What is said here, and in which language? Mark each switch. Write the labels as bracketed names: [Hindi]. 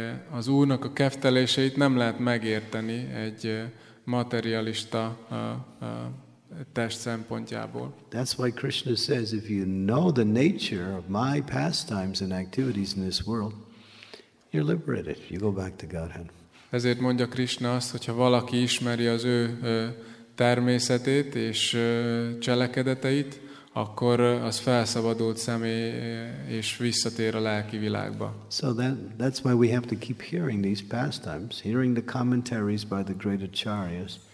[Hungarian] Az Úrnak a kefteléseit nem lehet megérteni egy materialista test szempontjából. [English] That's why Krishna says, if you know the nature of my pastimes and activities in this world, you're liberated. You go back to Godhead. [Hungarian] Ezért mondja Krishna azt, hogyha valaki ismeri az ő természetét és cselekedeteit, akkor az felszabadult személy és visszatér a lelki világba. [English] So that's why we have to keep hearing these pastimes, hearing the commentaries by the great acharyas.